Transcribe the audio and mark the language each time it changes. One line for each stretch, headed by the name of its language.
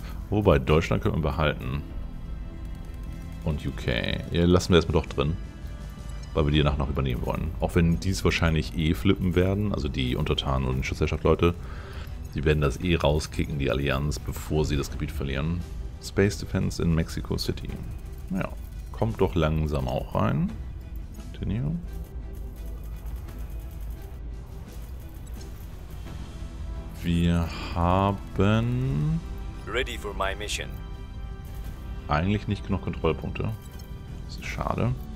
German: Wobei, Deutschland können wir behalten. Und UK. Ja, lassen wir erstmal doch drin. Weil wir die danach noch übernehmen wollen. Auch wenn die es wahrscheinlich eh flippen werden, also die Untertanen und die Schutzherrschaft-Leute. Die werden das eh rauskicken, die Allianz, bevor sie das Gebiet verlieren.
English: Space Defense in Mexico City.
German: Ja, kommt doch langsam auch rein.
English: Continue.
German: Wir haben...
English: Ready for my mission.
German: Eigentlich nicht genug Kontrollpunkte. Das ist schade.